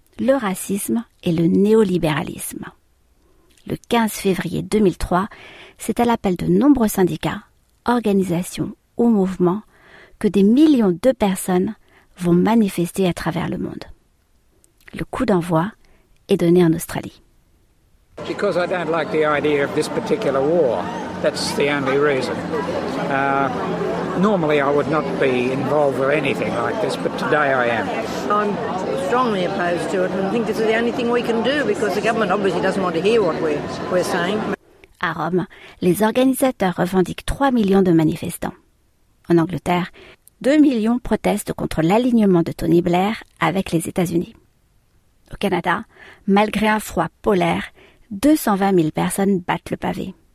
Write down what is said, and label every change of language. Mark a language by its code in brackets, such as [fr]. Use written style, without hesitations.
[fr] Le racisme et le néolibéralisme. Le 15 février 2003, c'est à l'appel de nombreux syndicats, organisations ou mouvements que des millions de personnes vont manifester à travers le monde. Le coup d'envoi est donné en Australie. [en] Because I don't like the idea of this particular war. That's the only reason. Normally I would not be involved with anything like this, but today I am. I'm strongly opposed to it and think this is the only thing we can do because the government obviously doesn't want to hear what we're saying. [fr] À Rome, les organisateurs revendiquent 3 millions de manifestants. En Angleterre, 2 millions protestent contre l'alignement de Tony Blair avec les États-Unis. Au Canada, malgré un froid polaire, 220 000 personnes battent le pavé.